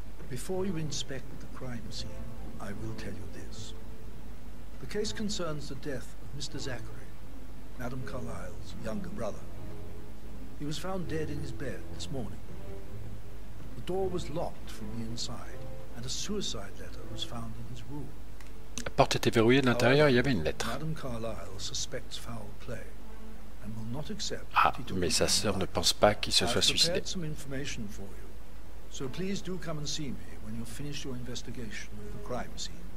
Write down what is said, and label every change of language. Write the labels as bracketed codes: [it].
[en] Before you inspect the crime scene, I will tell you this. The case concerns the death of Mr. Zachary, Madame Carlyle's younger brother. He was found dead in his bed this morning. The door was locked from the inside, and a suicide letter was found in his room. [fr] La porte était verrouillée de l'intérieur, il y avait une lettre. [en] Madame Carlyle suspects foul play, and will not accept. [fr] Ah, mais sa sœur ne pense pas qu'il se soit suicidé. [en] I've prepared some information for you, so please do come and see me when you've finished your investigation of the crime scene.